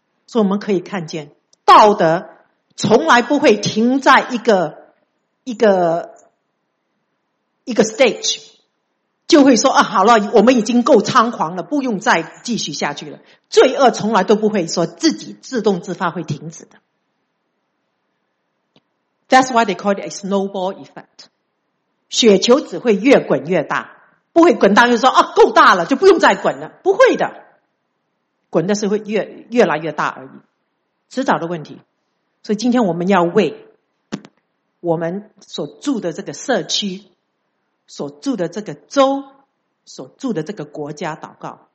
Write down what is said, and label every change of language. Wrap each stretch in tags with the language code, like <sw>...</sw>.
<zh>所以我们可以看见道德从来不会停在一个 stage， 就会说啊，好了，我们已经够猖狂了，不用再继续下去了。罪恶从来都不会说自己自动自发会停止的。</zh> <en>That's why they call it a snowball effect.</en> <zh>雪球只会越滚越大，不会滚大就说啊够大了就不用再滚了，不会的，滚的是会越来越大而已，迟早的问题。所以今天我们要为我们所住的这个社区、所住的这个州、所住的这个国家祷告。</zh>